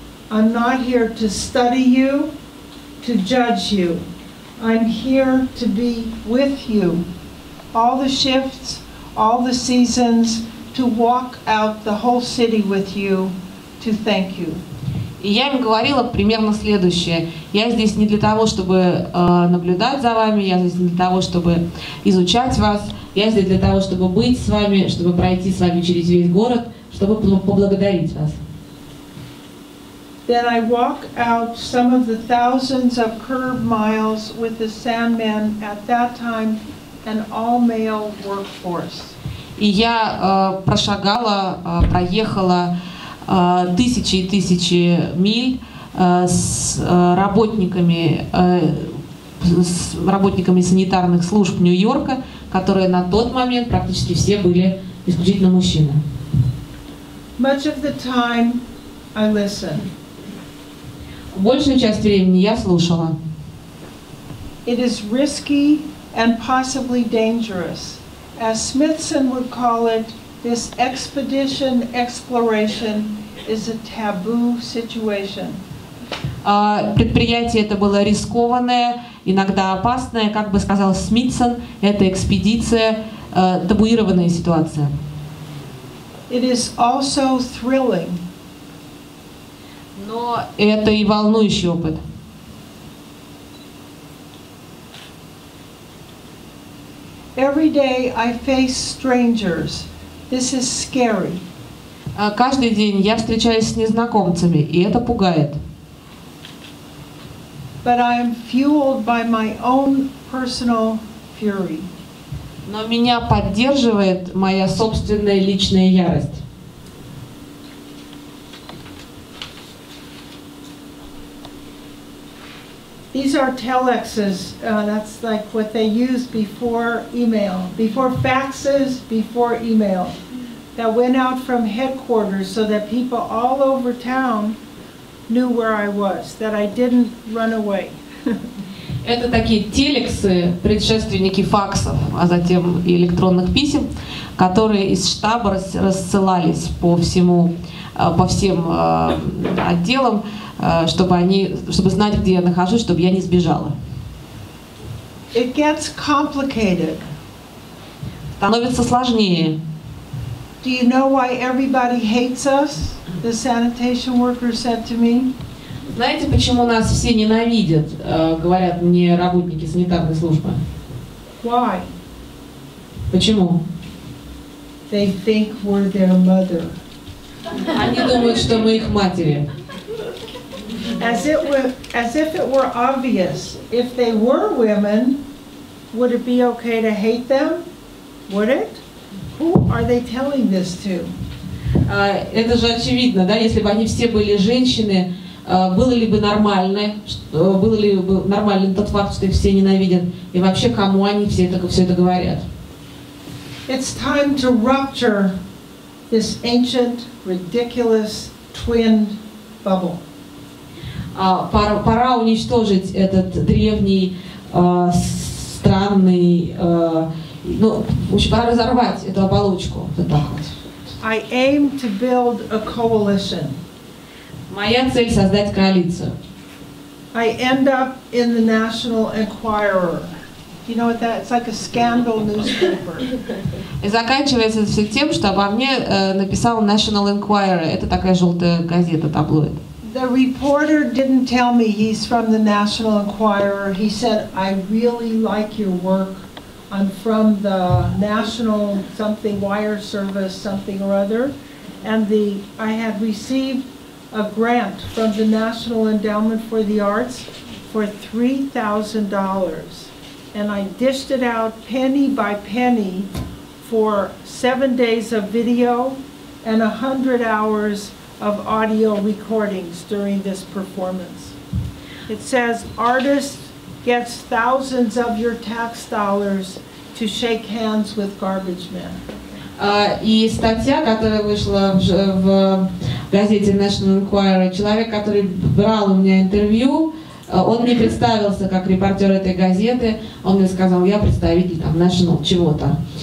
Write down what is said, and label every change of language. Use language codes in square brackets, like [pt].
[en] I'm not here to study you, to judge you. I'm here to be with you. All the shifts, all the seasons, to walk out the whole city with you, to thank you. [ru] И я им говорила примерно следующее. Я здесь не для того, чтобы наблюдать за вами, я здесь не для того, чтобы изучать вас, я здесь для того, чтобы быть с вами, чтобы пройти с вами через весь город, чтобы поблагодарить вас. [en] Then I walk out some of the thousands of curb miles with the Sandman at that time an all-male workforce. [ru] И я прошагала, проехала тысячи и тысячи миль с работниками, с работниками санитарных служб Нью-Йорка, которые на тот момент практически все были исключительно мужчины. [en] Much of the time I listen. [ru] Большую часть времени я слушала. [en] It is risky and possibly dangerous. As Smithson would call it, this expedition exploration is a taboo situation. [ru] Предприятие это было рискованное, иногда опасное, как бы сказал Смитсон, это экспедиция, табуированная ситуация. [en] It is also thrilling. [ru] Но это и волнующий опыт. [en] Every day I face strangers. This is scary. [ru] Каждый день я встречаюсь с незнакомцами, и это пугает. [en] But I am fueled by my own personal fury. [ru] Но меня поддерживает моя собственная личная ярость. [en] These are telexes, that's like what they used before email, before faxes, before email, that went out from headquarters so that people all over town knew where I was, that I didn't run away. [ru] Это такие телексы, предшественники факсов, а затем и электронных писем, которые из штаба рассылались по всему, по всем отделам, чтобы они, чтобы знать, где я нахожусь, чтобы я не сбежала. [en] It gets complicated. [ru] Становится сложнее. [en] Do you know why everybody hates us? The sanitation worker said to me. [ru] Знаете, почему нас все ненавидят? Говорят мне работники санитарной службы. [en] Why? [ru] Почему? [en] They think we're their mother. [ru] Они думают, что мы их матери. [en] As if it were obvious, if they were women, would it be okay to hate them? Would it? Who are they telling this to? [ru] Это же очевидно, да? Если бы они все были женщины, было ли бы нормально, было ли бы нормальным тот факт, что их все ненавидят? И вообще, кому они все это говорят? [en] It's time to rupture this ancient, ridiculous twin bubble. [ru] Пора уничтожить этот древний, странный, в общем, пора разорвать эту оболочку. [en] I aim to build a coalition. [ru] Моя цель — создать коалицию. [en] I end up in the National Enquirer. You know what that? It's like a scandal newspaper. [ru] И заканчивается все тем, что обо мне написал National Enquirer. Это такая желтая газета, таблоид. [en] The reporter didn't tell me he's from the National Enquirer. He said, I really like your work. I'm from the National something wire service, something or other. And I had received a grant from the National Endowment for the Arts for $3,000. And I dished it out penny by penny for 7 days of video and 100 hours of audio recordings during this performance. It says artists gets thousands of your tax dollars to shake hands with garbage men. [ru] И статья, которая вышла в газете National Enquirer, человек, который брал у меня интервью, он мне представился как репортер этой газеты, он мне сказал, я представитель там National чего-то.